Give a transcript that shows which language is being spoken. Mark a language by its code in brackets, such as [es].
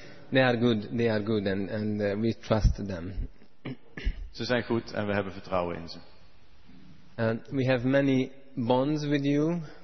[en] They are good and we trust them. [nl] Ze zijn goed en we hebben vertrouwen in ze. [en] We have many bonds with you.